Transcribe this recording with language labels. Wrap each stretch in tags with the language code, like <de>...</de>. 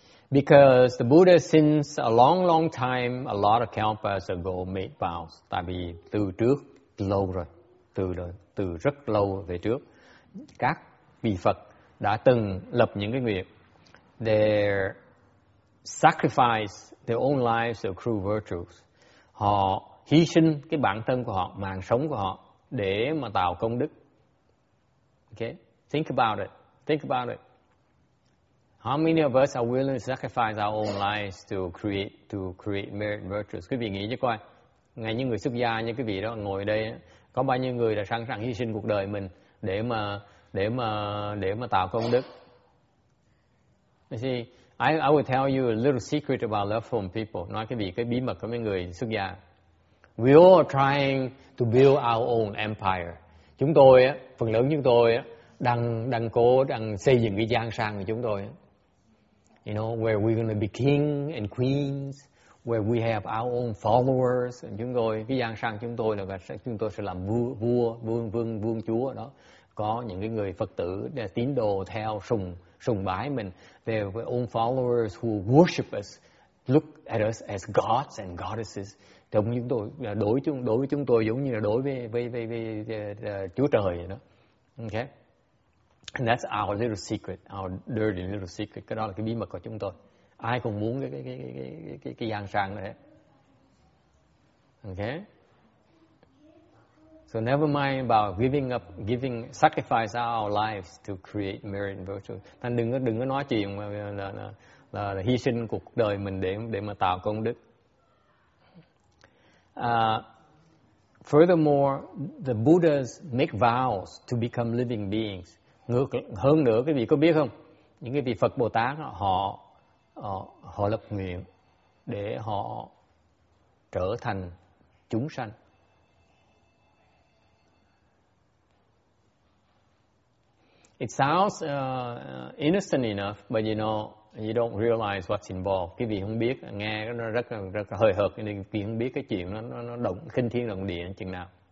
<en>Because the Buddha, since a long, long time, a lot of kalpas ago, made vows.</en> <vi>Tại vì từ trước lâu rồi, từ rất lâu về trước, các vị Phật đã từng lập những cái nguyện.</vi> <en>They sacrifice their own lives to accrue virtues.</en> <vi>Họ hy sinh cái bản thân của họ, mạng sống của họ để mà tạo công đức.</vi> <en>Okay, think about it. How many of us are willing to sacrifice our own lives to create merit virtues?</en> <vi>Quý vị nghĩ chứ coi, ngay như người xuất gia như quý vị đó ngồi đây, có bao nhiêu người đã sẵn sàng hy sinh cuộc đời mình để mà tạo công đức?</vi> <en>You see, I will tell you a little secret about love from people.</en> <vi>Nói quý vị cái bí mật của mấy người xuất gia.</vi> <en>We all are trying to build our own empire.</en> <vi>Chúng tôi á, phần lớn chúng tôi á, đang xây dựng cái giang sang của chúng tôi.</vi> <en>You know, where we're going to be king and queens, where we have our own followers.</en> <vi>And chúng tôi, cái giang sang chúng tôi là chúng tôi sẽ làm vua, vương chúa đó. Có những cái người Phật tử, tín đồ theo, sùng bái mình.</vi> <en>They have our own followers who worship us, look at us as gods and goddesses.</en> <vi>Trong chúng tôi, đối với chúng tôi giống như là đối với Chúa Trời vậy đó.</vi> <en>Okay. And that's our little secret, our dirty little secret.</en> <vi>Cái đó là cái bí mật của chúng tôi. Ai cũng muốn cái giang sang đấy.</vi> <en>Okay. So never mind about giving sacrifice our lives to create merit and virtue.</en> <vi>Thành đừng có nói chuyện là hy sinh cuộc đời mình để mà tạo công đức.</vi> <en>Furthermore, the Buddhas make vows to become living beings.</en> <vi>Hơn nữa, quý vị có biết không, những cái vị Phật Bồ Tát họ lập nguyện để họ trở thành chúng sanh.</vi> <en>It sounds innocent enough, but you don't realize what's involved.</en> <vi>Quý vị không biết, nghe nó rất hơi hợt, nên quý vị không biết cái chuyện nó động kinh thiên động địa chừng nào.</vi>